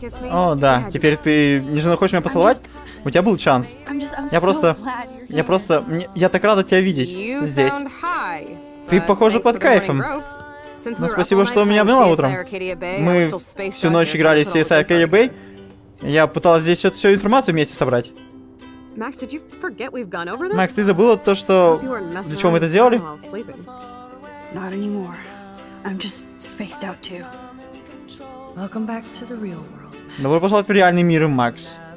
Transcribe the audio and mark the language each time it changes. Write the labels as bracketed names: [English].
[Russian] О, да, теперь ты не жена хочешь меня поцеловать? У тебя был шанс. Я просто... Я так рада тебя видеть здесь. Ты, похоже, под кайфом. Но спасибо, что меня обняла утром. Мы всю ночь играли в CSI Arcadia Bay. Я пыталась здесь всю информацию вместе собрать. [English] Макс, did you forget we've gone over this? [Russian] Макс, ты забыла то, что... Для чего мы это сделали? [English] Not anymore. I'm just spaced out too. Welcome back to the real world. [Russian] Добро пожаловать в реальный мир, Макс.